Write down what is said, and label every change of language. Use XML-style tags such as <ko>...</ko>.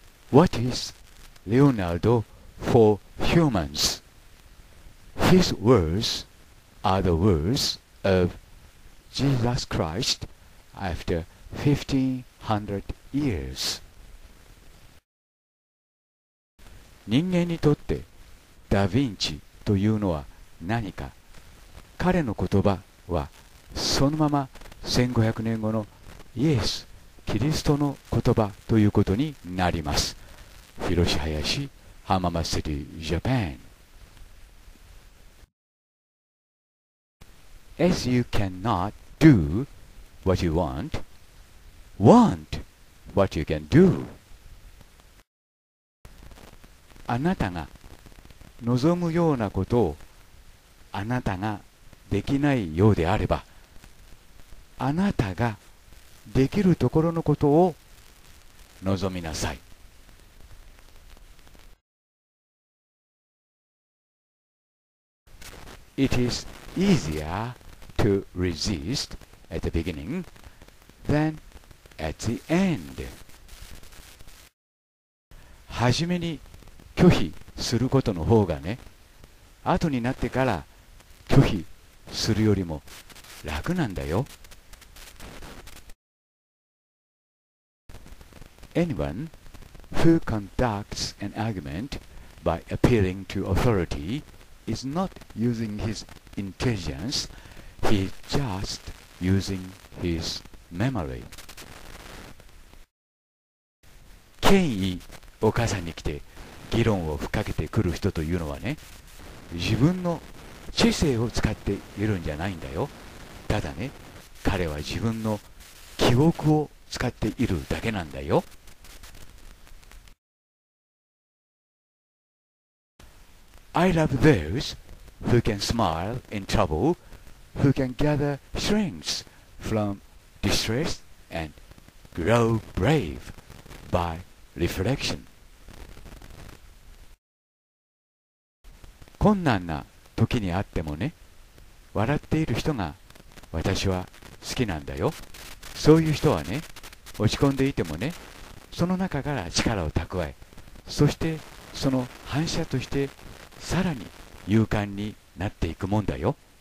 <en>What is Leonardo for humans? His words are the words of Jesus Christ after 1500 years.</en> <ja>人間にとってダ・ヴィンチというのは何か。彼の言葉はそのまま1500年後のイエス・キリストの言葉ということになります。広島やし、浜松市、ジャパン。</ja> <en>As you cannot do what you want, want what you can do.</en> <ja>あなたが望むようなことをあなたができないようであれば、あなたができるところのことを望みなさい。</ja> <en>It is easier to resist at the beginning than at the end.</en> <ja>初めに拒否することの方がね、後になってから拒否するよりも楽なんだよ。</ja> <en>Anyone who conducts an argument by appealing to authority is not using his intelligence, he's just using his memory.</en> <ja>権威を母さんに来て議論を吹っかけてくる人というのはね、自分の知性を使っているんじゃないんだよ。ただね、彼は自分の記憶を使っているだけなんだよ。</ja> <en>I love those who can smile in trouble, who can gather strength from distress and grow brave by reflection.</en> <ja>困難な時にあってもね、笑っている人が私は好きなんだよ。そういう人はね、落ち込んでいてもね、その中から力を蓄え、そしてその反射としてさらに勇敢になっていくもんだよ。</ja>